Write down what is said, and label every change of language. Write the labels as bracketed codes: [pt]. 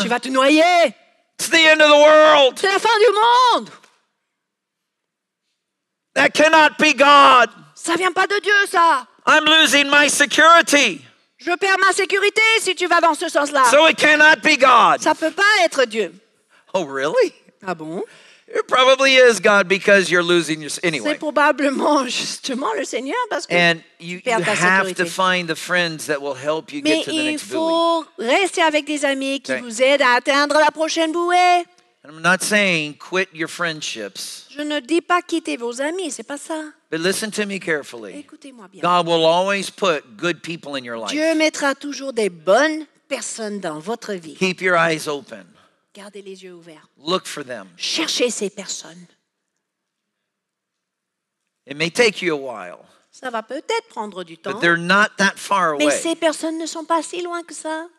[fr] Tu vas te noyer. [en] It's the end of the world. [fr] C'est la fin du monde. [en] That cannot be God. [fr] Ça vient pas de Dieu, ça. [en] I'm losing my security. [fr] Je perds ma sécurité si tu vas dans ce sens-là. [en] So it cannot be God. [fr] Ça peut pas être Dieu. [en] Oh, really? [fr] Ah bon? [en] It probably is God because you're losing your... Anyway. [fr] C'est probablement justement le Seigneur parce que [en] and you, [fr] tu perds ta sécurité. [en] Have to find the friends that will help you [fr] mais [en] get to the next [fr] faut [en] buoy. [fr] Rester avec des amis qui vous aident à atteindre la prochaine bouée. [en] I'm not saying quit your friendships. [fr] Je ne dis pas quitter vos amis, c'est pas ça. [en] But listen to me carefully. [fr] Écoutez-moi bien. [en] God will always put good people in your life. [fr] Dieu mettra toujours des bonnes personnes dans votre vie. [en] Keep your eyes open. [fr] Gardez les yeux ouverts. [en] Look for them. [fr] Cherchez ces personnes. [en] It may take you a while. [fr] Ça va peut-être prendre du temps. [en] But they're not that far away. [fr] Mais ces personnes ne sont pas si loin que ça.